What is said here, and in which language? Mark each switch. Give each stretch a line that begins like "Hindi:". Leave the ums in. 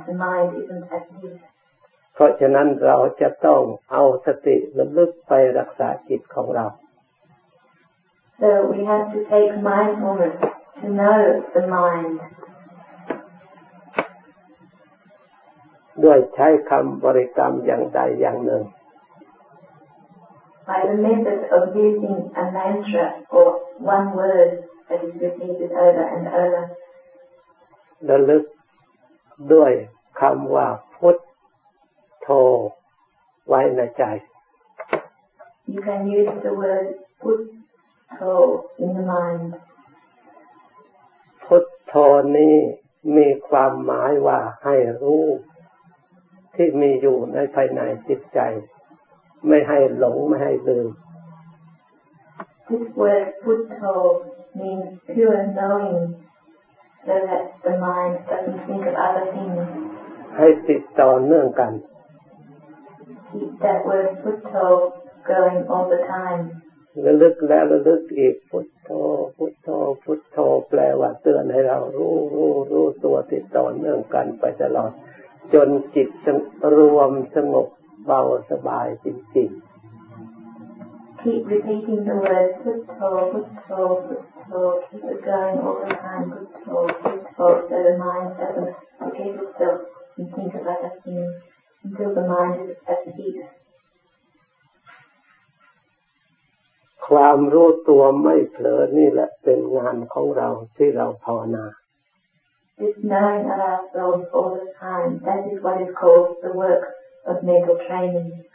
English: The mind isn't at peace.
Thai: เพราะฉะนั้นเราจะต้องเอาสติระลึกไปรักษาจิตของเรา
English: So we have to take mindfulness to know the mind.
Thai: ด้วยใช้คำบริกรรมอย่างใดอย่างหนึ่ง
English: by the method of using a mantra or one word that is repeated over and over.
Thai: ระลึกด้วยคำว่าพุทโธไว้ในใจ
English: You can use the word putto in the mind.
Thai: พุทโธนี้มีความหมายว่าให้รู้ ที่มีอยู่ในภายในจิตใจ ไม่ให้หลงไม่ให้ลืม
English: This word putto means pure knowing so that the mind doesn't think of other things.
Thai: ให้ติดต่อเนื่องกัน
English: Keep that word putto going all the time.
Thai: ระลึกแล้วระลึกอีกพุทโธพุทโธพุทโธแปลว่าเตือนให้เรารู้รู้รู้ตัวติดต่อเนื่องกันไปตลอด จนจิตสงบรวมสงบเบาสบายจริง
English: Keep repeating the word putto, putto, putto. Keep it going all the time. Putto, putto. So the mind doesn't forget itself and think about other things until the mind is at peace.
Thai: ๆ ความรู้ตัวไม่เผลอนี่แหละเป็นงานของเราที่เราภาวนา
English: This knowing of ourselves all the time, that is what is called the work of mental training.